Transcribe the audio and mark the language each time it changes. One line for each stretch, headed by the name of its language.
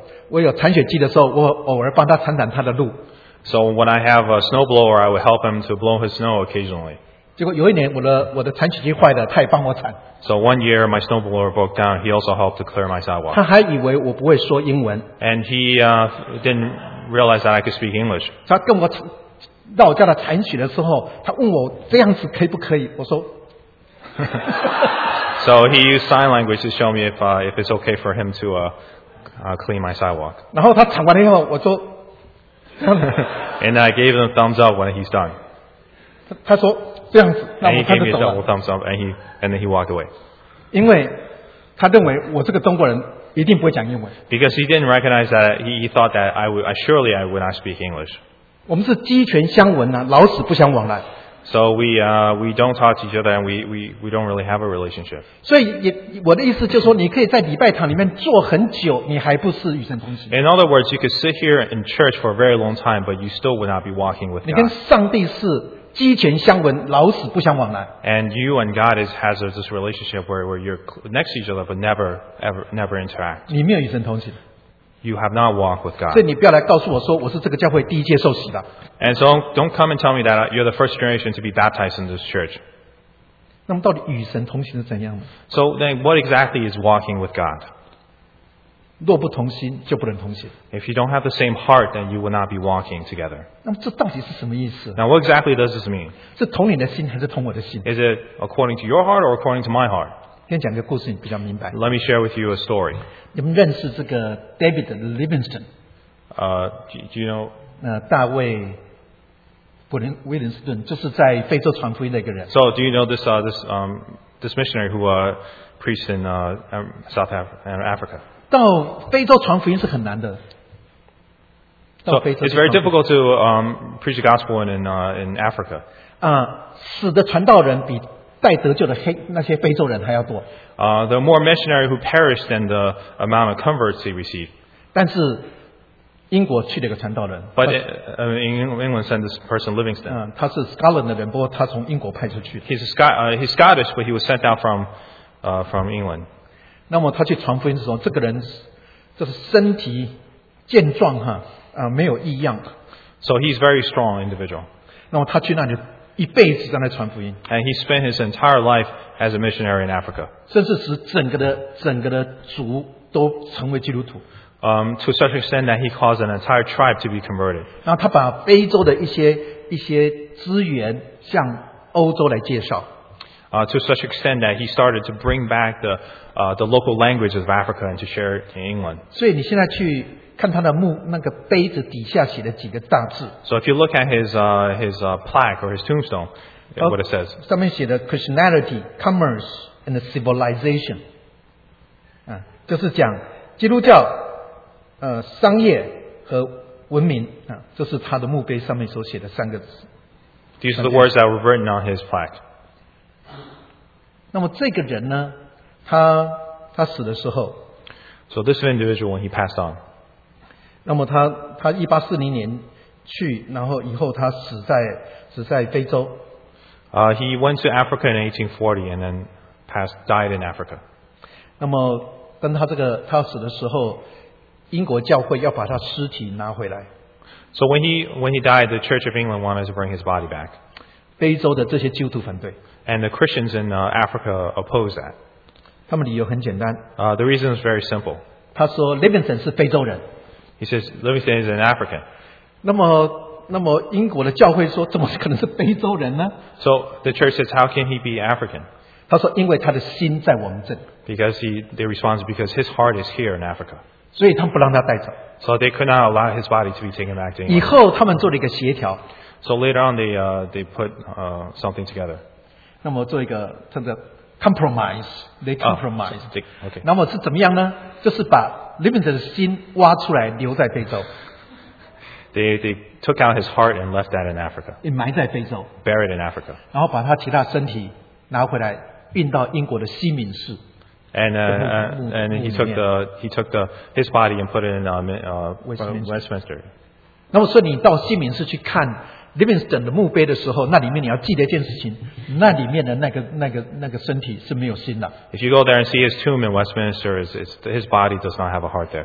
Chinese: 我有铲雪机的时候，我偶尔帮他铲铲他的路。
English: So when I have a snowblower, I would help him to blow his snow occasionally.
Chinese: 结果有一年我的铲雪机坏了，他也帮我铲。
English: So one year my snowblower broke down, he also helped to clear my sidewalk.
Chinese: 他还以为我不会说英文。
English: And he didn't realize that I could speak English.
Chinese: 他跟我。让我叫他铲雪的时候，他问我这样子可以不可以？我说。
English: So he used sign language to show me if it's okay for him to clean my sidewalk.
Chinese: 然后他铲完了以后，我说。
English: And I gave him a thumbs up when he's done.
Chinese: 他说这样子，那我看着走了。
English: And he gave me a thumbs up, and then he walked away.
Chinese: 因为他认为我这个中国人一定不会讲英文。
English: Because he didn't recognize that he thought that I would not speak English.
Chinese: 我们是鸡犬相闻啊，老死不相往来。
English: So we don't talk to each other and we don't really have a relationship.
Chinese: 所以我的意思就是说，你可以在礼拜堂里面坐很久，你还不是与神同行。
English: In other words, you could sit here in church for a very long time, but you still would not be walking with God.
Chinese: 你跟上帝是鸡犬相闻，老死不相往来。
English: And you and God is has this relationship where you're next to each other but never interact.
Chinese: 你没有与神同行。
English: You have not walked with God.
Chinese: 所以你不要来告诉我说我是这个教会第一届受洗的。
English: And so don't come and tell me that you're the first generation to be baptized in this church.
Chinese: 那么到底与神同行是怎样的？
English: So then what exactly is walking with God?
Chinese: 若不同心就不能同行。
English: If you don't have the same heart, then you will not be walking together.
Chinese: 那么这到底是什么意思？
English: Now what exactly does this mean?
Chinese: 是同你的心还是同我的心？
English: Is it according to your heart or according to my heart?
Chinese: 先讲个故事你比较明白。
English: Let me share with you a story.
Chinese: 你们认识这个 David Livingston?
English: Do you know?
Chinese: 大卫威廉斯顿就是在非洲传福音的一个人。
English: So do you know this this missionary who preached in South Africa?
Chinese: 到非洲传福音是很难的。
English: So it's very difficult to preach the gospel in Africa.
Chinese: 死的传道人比带得救的黑那些非洲人还要多。
English: There are more missionaries who perish than the amount of converts they receive.
Chinese: 但是英国去了一个传道人
English: But in England sent this person Livingston.
Chinese: 他是 Scotland 的人不过他从英国派出去
English: He's Scottish but he was sent out from England.
Chinese: 那么他去传福音的时候这个人就是身体健壮没有异样
English: So he's a very strong individual.
Chinese: 那么他去那里一辈子在那传福音
English: And he spent his entire life as a missionary in Africa.
Chinese: 甚至使整个的族都成为基督徒
English: To such an extent that he caused an entire tribe to be converted.
Chinese: 然后他把非洲的一些资源向欧洲来介绍。
English: To such an extent that he started to bring back the local languages of Africa and to share it in England.
Chinese: 所以你现在去看他的墓，那个碑子底下写的几个大字。
English: So if you look at his plaque or his tombstone, what it says.
Chinese: 上面写的
English: Christianity, commerce, and civilization.
Chinese: 就是讲基督教。商业和文明这是他的墓碑上面所写的三个字。
English: These are the words that were written on his plaque.
Chinese: 那么这个人呢他死的时候。
English: So this individual when he passed on.
Chinese: 那么他1840年去然后以后他死在非洲。
English: He went to Africa in 1840 and then died in Africa.
Chinese: 那么跟他这个他死的时候英国教会要把他尸体拿回来。
English: So when he died, the Church of England wanted to bring his body back.
Chinese: 非洲的这些基督徒反对。
English: And the Christians in Africa opposed that.
Chinese: 他们理由很简单。
English: The reason is very simple.
Chinese: 他说 Livingston 是非洲人。
English: He says Livingston is an African.
Chinese: 那么英国的教会说怎么可能是非洲人呢
English: ？So the Church says how can he be African?
Chinese: 他说因为他的心在我们这里。
English: Because the response is because his heart is here in Africa.
Chinese: 所以他们不让他带走。
English: So they could not allow his body to be taken back to England.
Chinese: 以后他们做了一个协调。
English: So later on they put something together.
Chinese: 那么做一个这个 compromise,
English: they compromise. Oh, so, okay.
Chinese: 那么是怎么样呢？就是把 Livingston 的心挖出来，留在非洲。
English: They took out his heart and left that in Africa.
Chinese: 埋在非洲。
English: Buried in Africa.
Chinese: 然后把他其他身体拿回来，运到英国的西敏寺。
English: And he took his body and put it in Westminster.
Chinese: 那么说你到西敏寺去看 Livingston 的墓碑的时候，那里面你要记得一件事情，那里面的那个身体是没有心的。
English: If you go there and see his tomb in Westminster, his body does not have a heart there.